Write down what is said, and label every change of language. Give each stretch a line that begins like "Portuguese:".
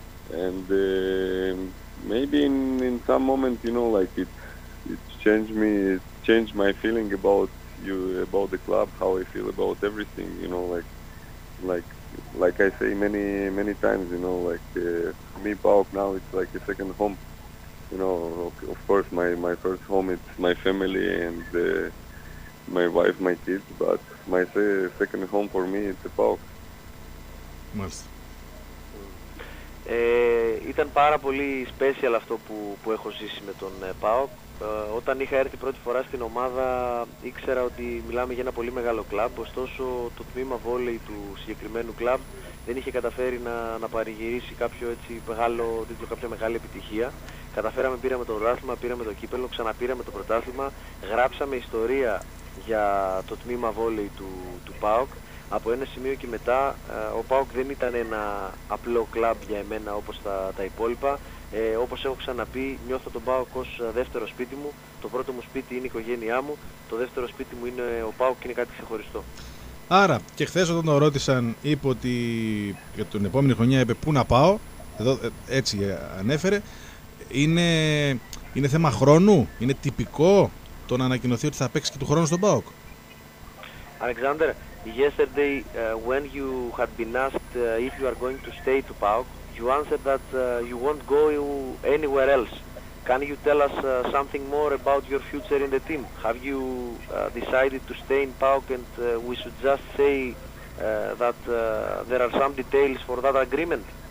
English: And maybe in some moment, you know, like it changed me, it changed my feeling about you, about the club, how I feel about everything, you know, like I say many times, you know, like for me, PAOK now it's like a second home. You know, of course my first home, it's my family and my wife, my kids, but my second home for me is the PAOK.
Greek: Μάλιστα. Ήταν πάρα πολύ special αυτό που έχω ζήσει με τον PAOK. Όταν είχα έρθει πρώτη φορά στην ομάδα, ήξερα ότι μιλάμε για ένα πολύ μεγάλο κλαμπ. Ωστόσο, το τμήμα βόλεϊ του συγκεκριμένου κλαμπ δεν είχε καταφέρει να παρηγυρίσει κάποιο έτσι μεγάλο τίτλο, κάποια μεγάλη επιτυχία. Καταφέραμε, πήραμε το πρωτάθλημα, πήραμε το κύπελλο, ξαναπήραμε το πρωτάθλημα, γράψαμε ιστορία για το τμήμα βόλεϊ του ΠΑΟΚ. από ένα σημείο και μετά ο ΠΑΟΚ δεν ήταν ένα απλό κλαμπ για εμένα όπως τα υπόλοιπα. Όπως έχω ξαναπεί, νιώθω τον ΠΑΟΚ ως δεύτερο σπίτι μου. Το πρώτο μου σπίτι είναι η οικογένειά μου. Το δεύτερο σπίτι μου είναι ο ΠΑΟΚ και είναι κάτι ξεχωριστό. Άρα, και χθες όταν τον ρώτησαν, είπε ότι για την επόμενη χρονιά είπε πού να πάω. Εδώ, έτσι ανέφερε. Είναι θέμα χρόνου, είναι τυπικό το να ανακοινωθεί ότι θα παίξει και του χρόνου στον ΠΑΟΚ.
English: Alexander, yesterday when you had been asked if you are going to stay to PAOK, you answered that you won't go anywhere else. Can you tell us something more about your future in the team? Have you decided to stay in PAOK and we should just say that there are some details for that agreement?